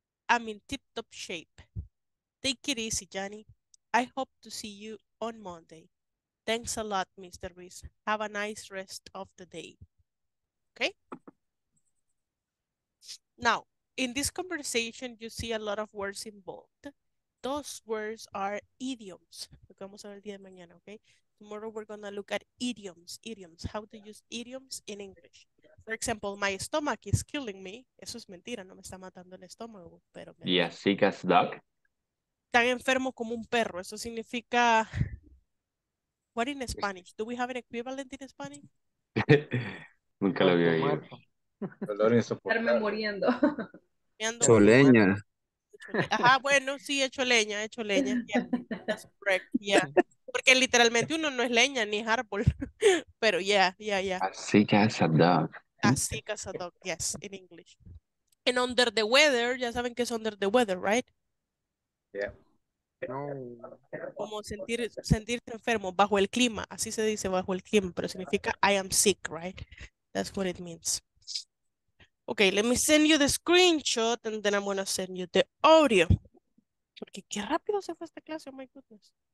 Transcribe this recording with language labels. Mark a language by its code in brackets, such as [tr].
[en] I'm in tip-top shape. Take it easy, Johnny. I hope to see you on Monday. Thanks a lot, Mr. Reese. Have a nice rest of the day. Okay? Now, in this conversation, you see a lot of words involved. Those words are idioms. [es] Lo que vamos a ver el día de mañana, okay? [en] Tomorrow we're gonna look at idioms. Idioms. How to use idioms in English. For example, my stomach is killing me. [es] Eso es mentira. No me está matando el estómago, pero. [en] Yeah, sick as dog. [es] Tan enfermo como un perro. Eso significa. [en] What in Spanish? Do we have an equivalent in Spanish? [es] Nunca lo había oído. Dolor insoportable. Muriendo. Choleña. Ajá, bueno, sí, hecho leña. [en] Yeah. That's correct. Yeah. [es] Porque literalmente uno no es leña ni es árbol. Pero yeah. Así que es a dog. Así que es [en] a dog, yes, in English. And under the weather, [es] ya saben que es [en] under the weather, right? Yeah. No. [es] Como sentirse enfermo, bajo el clima. Así se dice bajo el clima, pero significa [en] I am sick, right? That's what it means. Okay, let me send you the screenshot and then I'm going to send you the audio. [es] Porque qué rápido se fue esta clase, [en] oh my goodness.